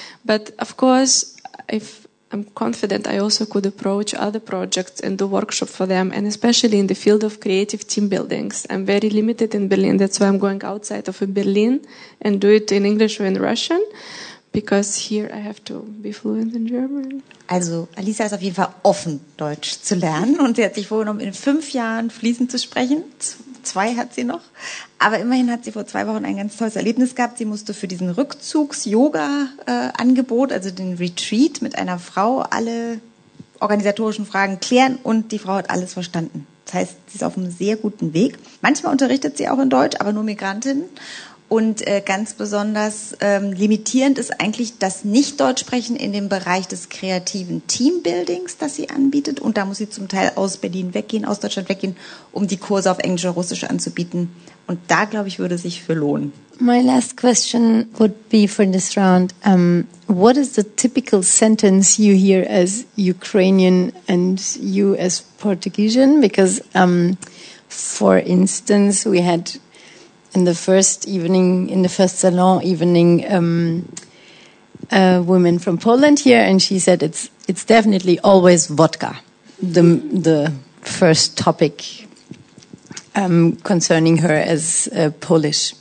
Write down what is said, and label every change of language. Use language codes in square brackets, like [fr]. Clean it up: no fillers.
[en] But of course, if I'm confident, I also could approach other projects and do workshop for them. And especially in the field of creative team buildings, I'm very limited in Berlin. That's why I'm going outside of Berlin and do it in English or in Russian. Because here I have to be fluent in German. [de] Also, Alisa ist auf jeden Fall offen, Deutsch zu lernen. Und sie hat sich vorgenommen, in 5 Jahren fließend zu sprechen. 2 hat sie noch. Aber immerhin hat sie vor 2 Wochen ein ganz tolles Erlebnis gehabt. Sie musste für diesen Rückzugs-Yoga-Angebot, also den Retreat mit einer Frau, alle organisatorischen Fragen klären. Und die Frau hat alles verstanden. Das heißt, sie ist auf einem sehr guten Weg. Manchmal unterrichtet sie auch in Deutsch, aber nur Migrantinnen. Und ganz besonders limitierend ist eigentlich das Nicht-Deutsch-Sprechen in dem Bereich des kreativen Teambuildings, das sie anbietet. Und da muss sie zum Teil aus Berlin weggehen, aus Deutschland weggehen, um die Kurse auf Englisch oder Russisch anzubieten. Und da, glaube ich, würde sich für lohnen. [en] My last question would be for this round. What is the typical sentence you hear as Ukrainian and you as Portuguesian? Because, for instance, we had... In the first salon evening, a woman from Poland here, and she said it's definitely always vodka, the first topic concerning her as Polish.